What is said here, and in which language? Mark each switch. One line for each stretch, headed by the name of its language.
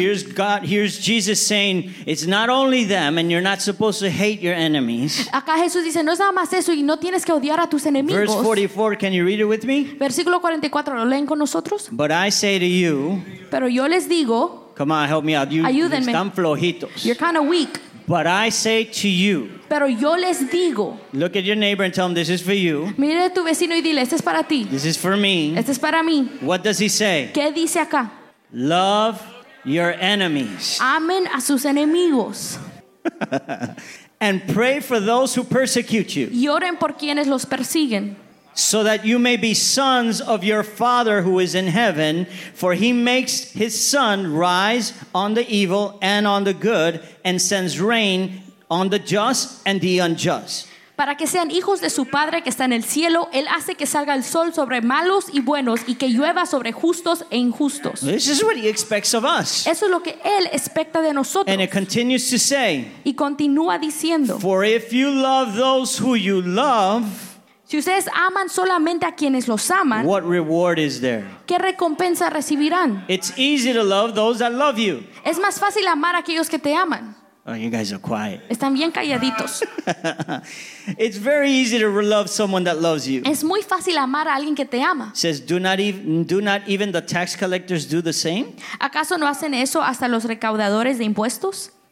English: Here's God, here's Jesus saying it's not only them and you're not supposed to hate your enemies.
Spanish: Acá Jesús dice, no es nada más eso y no tienes que odiar a tus enemigos.
English: Verse 44, can you read it with me?
Spanish: Versículo 44, ¿lo leen con nosotros?
English: But I say to you,
Spanish: pero yo les digo,
English: come on, help me out. You,
Spanish: ayúdenme. Están flojitos.
English: You're kind of weak. But I say to you,
Spanish: pero yo les digo,
English: look at your neighbor and tell him this is for you.
Spanish: Mire a tu vecino y dile, este es para ti.
English: This is for me.
Spanish: Este es para mí.
English: What does he say?
Spanish: ¿Qué dice acá?
English: Love your enemies.
Spanish: Amen a sus enemigos.
English: And pray for those who persecute you.
Spanish: Y oren por quienes los persiguen.
English: So that you may be sons of your Father who is in heaven, for he makes his sun rise on the evil and on the good, and sends rain on the just and the unjust.
Spanish: Para que sean hijos de su Padre que está en el cielo, él hace que salga el sol sobre malos y buenos y que llueva sobre justos e injustos.
English: This is what he expects of us.
Spanish: Eso es lo que él espera de nosotros.
English: And it continues to say,
Spanish: y continúa diciendo,
English: for if you love those who you love,
Spanish: si ustedes aman solamente a quienes los aman,
English: what reward is there?
Spanish: ¿Qué recompensa recibirán?
English: It's easy to love those that love you.
Spanish: Es más fácil amar a aquellos que te aman.
English: Oh, you guys are quiet.
Spanish: Están bien calladitos.
English: It's very easy to love someone that loves you.
Spanish: Es muy fácil amar a alguien que te ama.
English: Says, do not even the tax collectors do the same?
Spanish: ¿Acaso no hacen eso hasta los recaudadores de impuestos?